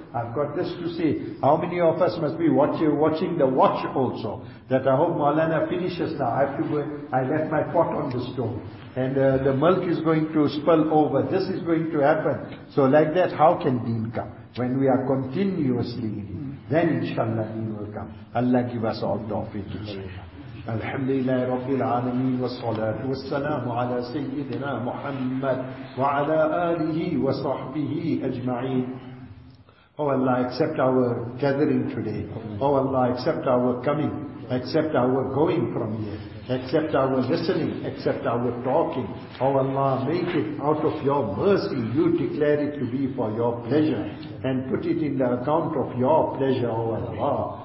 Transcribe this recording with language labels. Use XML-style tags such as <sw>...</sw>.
<en>I've got this to say. How many of us must be watching the watch also? That I hope Maulana finishes now. I have to go, I left my pot on the stove. And the milk is going to spill over. This is going to happen. So like that, how can deen come? When we are continuously in it, then inshallah deen will come. Allah give us all tawfiq.</en> <ar>الحمد لله رب العالمين والصلاة والسلام على سيدنا محمد وعلى آله وصحبه أجمعين.</ar> <en>Oh Allah, accept our gathering today. Oh Allah, accept our coming. Accept our going from here. Accept our listening. Accept our talking. Oh Allah, make it out of your mercy. You declare it to be for your pleasure. And put it in the account of your pleasure, oh Allah.</en>